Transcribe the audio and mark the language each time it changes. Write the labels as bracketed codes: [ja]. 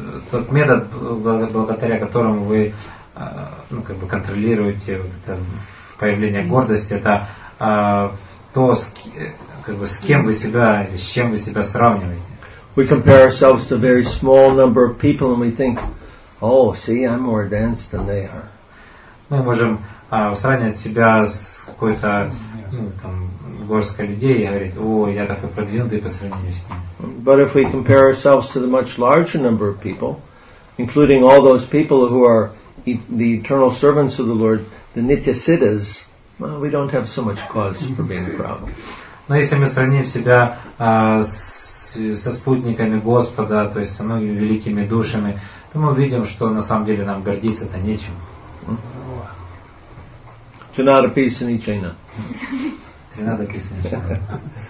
[ru] Тот метод, благодаря которому вы контролируете появление гордости, это то, с кем вы себя, или с чем вы себя сравниваете. [en] We compare ourselves to a very small number of people and we think, oh, see, I'm more advanced than they are. [ru] Мы можем сравнивать себя с какой-то горской людей и говорить, о, я такой продвинутый по сравнению с ним. [en] But if we compare ourselves to the much larger number of people, including all those people who are the eternal servants of the Lord, the nitya siddhas, well, we don't have so much cause for being proud. [ru] Но если мы сравним себя со спутниками Господа, то есть со многими великими душами, то мы видим, что на самом деле нам гордиться-то нечем. Тринада писан и чайна. Тринада писан и чайна.